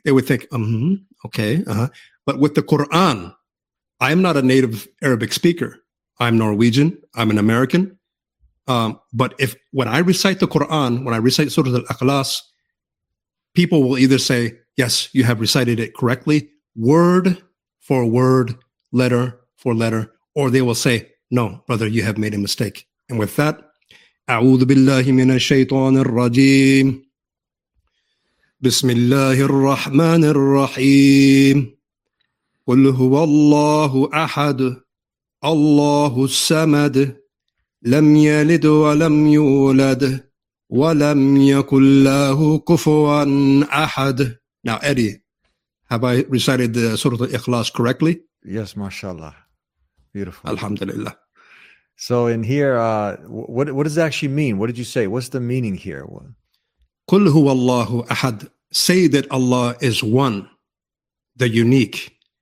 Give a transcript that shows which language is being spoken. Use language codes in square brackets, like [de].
[en] They would think, But with the Quran, I am not a native Arabic speaker. I'm Norwegian. I'm an American. But when I recite Surah Al-Ikhlas, people will either say, yes, you have recited it correctly, word for word, letter for letter, or they will say, no, brother, you have made a mistake. And with that, [ar] أعوذ بالله من الشيطان الرجيم. بسم الله الرحمن الرحيم قل هو الله أحد الله الصمد لم يلد ولم يولد ولم يكن له كفوا أحد. [en] Now Eddie, have I recited the Surah Al-Ikhlas correctly? Yes, mashallah, beautiful. Alhamdulillah. So in here, what does it actually mean? What did you say? What's the meaning here? [ar] قل هو الله أحد. [en] Say that Allah is one, the unique.